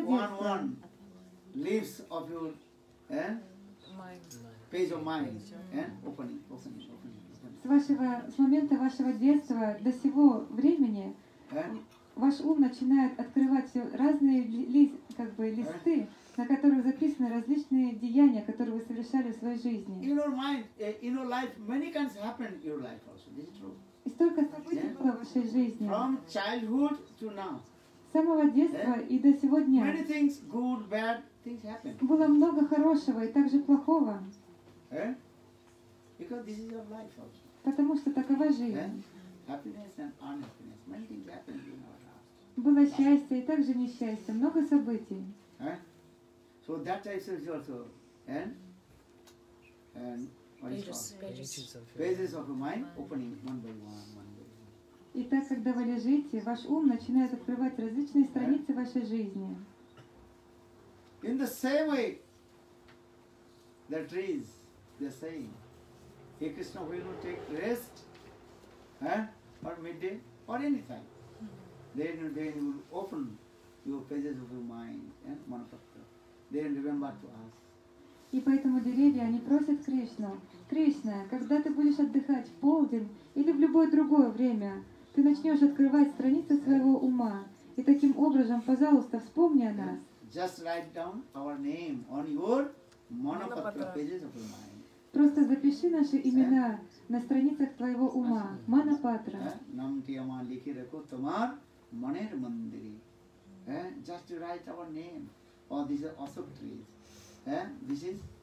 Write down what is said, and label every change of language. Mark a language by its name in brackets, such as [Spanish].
[Russian] детства. [English] One leaves of your page of mind. Opening. [Russian] С момента вашего детства до сего времени ваш ум начинает открывать все разные листы, на которых записаны различные деяния, которые вы совершали в своей жизни. [English] In your mind, in your life, many kinds happen in your life also. This is true. [Russian] И столько событий было в вашей жизни. [English] From childhood to now. [Russian] С самого детства и до сегодня. [English] Many things, good, bad things happen. [Russian] Было много хорошего и также плохого. [English] Because this is your life also. [Russian] Потому что такова жизнь. [English] Happiness and unhappiness. Many things happen. [Russian] Было счастье и также несчастье, много событий. [English] So that type is also, and what pages of your mind opening one by one. [Russian] И так, когда вы лежите, ваш ум начинает открывать различные страницы вашей жизни. [English] In the same way, the trees, the same. Hey Krishna, we will take rest, or midday, or anytime. Then you will open your pages of your mind and manapatra. Then remember to us. [Russian] И поэтому деревья они просят Кришну. Кришна, когда ты будешь отдыхать в полдень или в любое другое время, ты начнешь открывать страницы своего ума. И таким образом, пожалуйста, вспомни о нас. [English] Just write down our name on your manapatra pages of your mind. [Russian] Просто запиши наши имена на страницах твоего ума. Манапатра. [Bangla] Намтияма лихи рако тамар. Manir Mandiri. [English] Just to write our name. Oh, these are Asok trees. This is